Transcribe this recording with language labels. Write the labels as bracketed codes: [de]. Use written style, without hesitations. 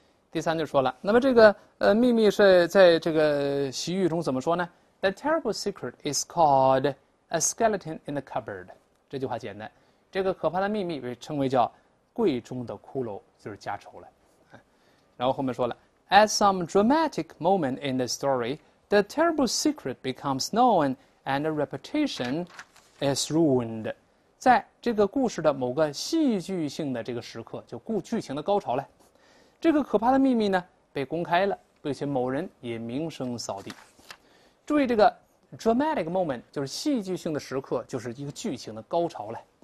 [zh] 第三就说了，那么这个秘密是在这个习语中怎么说呢？ [en] The terrible secret is called a skeleton in the cupboard。 [zh] 这句话简单。这个可怕的秘密被称为叫柜中的骷髅，就是家丑了。然后后面说了， [en] At some dramatic moment in the story, the terrible secret becomes known and the reputation is ruined。 [zh] 在这个故事的某个戏剧性的这个时刻，就剧情的高潮了，这个可怕的秘密呢被公开了，并且某人也名声扫地。注意这个 dramatic moment 就是戏剧性的时刻，就是一个剧情的高潮了。